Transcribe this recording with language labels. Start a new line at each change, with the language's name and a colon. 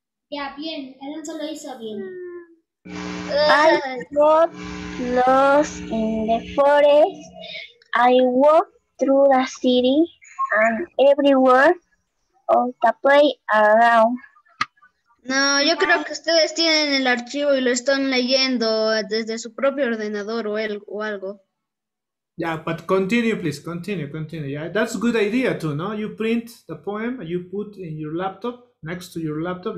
Spanish: Yeah, bien. Alonso lo hizo bien.
English: I got lost in the forest. I walked through the city and everywhere of the play around.
Spanish: No, yo creo que ustedes tienen el archivo y lo están leyendo desde su propio ordenador o algo.
English: Yeah, but continue, please. Continue. Yeah, that's a good idea too, no? You print the poem and you put in your laptop, next to your laptop.